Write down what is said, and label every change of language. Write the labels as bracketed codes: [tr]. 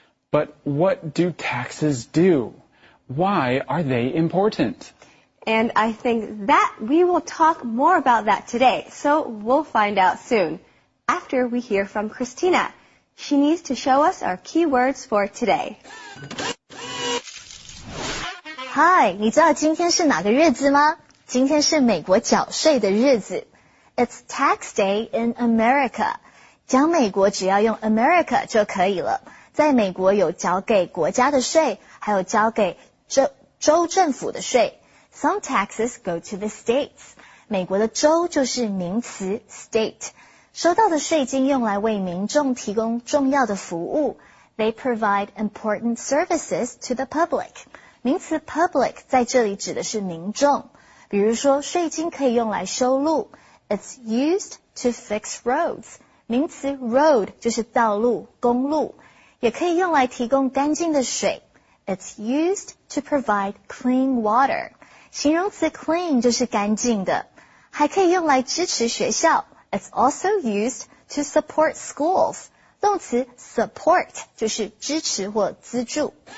[en] But what do taxes do? Why are they important? And I think that we will talk more about that today, so we'll find out soon, after we hear from Christina. She needs to show us our key words for today. [zh] Hi, 你知道今天是哪个日子吗？今天是美国缴税的日子。 [en] It's tax day in America. [zh] 讲美国只要用 America 就可以了。在美国有缴给国家的税，还有交给 州政府的税。 [en] Some taxes go to the states. [zh] 美国的州就是名词 state. 收到的税金用来为民众提供重要的服务。 [en] They provide important services to the public. [zh] 名词 public 在这里指的是民众。比如说税金可以用来修路。 [en] It's used to fix roads. [zh] 名词 road 就是道路、公路。也可以用来提供干净的水。 [en] It's used to provide clean water. [zh] 形容词 clean 就是干净的。还可以用来支持学校。 [en] It's also used to support schools. [zh] 动词 support 就是支持或资助。